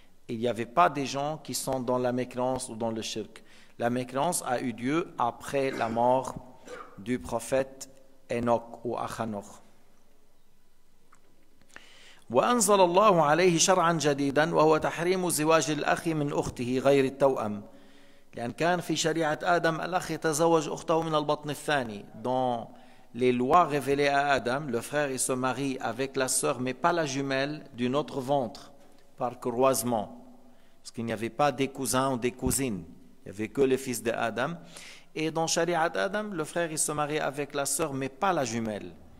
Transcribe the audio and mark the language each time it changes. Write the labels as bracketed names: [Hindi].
[French] Il n'y avait pas des gens qui sont dans la mécréance ou dans le shirk. La mécréance a eu lieu après la mort du prophète Enoch ou Achanoch. [Arabic] وأنزل الله عليه شرعا جديدا وهو تحريم زواج الأخ من أخته غير التوأم لأن كان في شريعة آدم الأخ يتزوج أخته من البطن الثاني. [French] Dans les lois révélées à Adam, le frère il se marie avec la sœur mais pas la jumelle d'une autre ventre par croisement parce qu'il n'y avait pas des cousins ou des cousines, il n'y avait que le fils de Adam. Et dans [Arabic] شريعة آدم [French] le frère il se marie avec la sœur mais pas la jumelle.